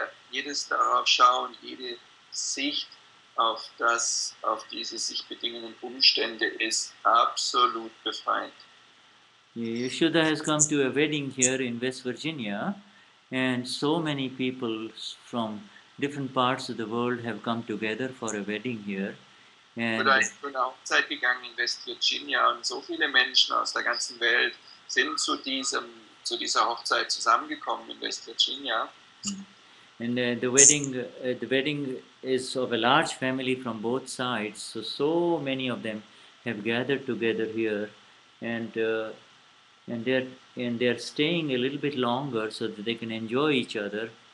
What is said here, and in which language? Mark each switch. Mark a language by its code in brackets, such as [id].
[de] Jedes darauf schauen, jede Sicht auf das, auf diese sich bedingenden Umstände ist absolut befreiend. [en] Yashoda has come to a wedding here in West Virginia, and so many people from different parts of the world have come together for a wedding here. [de] Und er ist zu einer Hochzeit gegangen in West Virginia und so viele Menschen aus der ganzen Welt sind zu dieser Hochzeit zusammengekommen in West Virginia. [en] And the wedding is of a large family from both sides, so many of them have gathered together here and they're staying a little bit longer so that they can enjoy each other.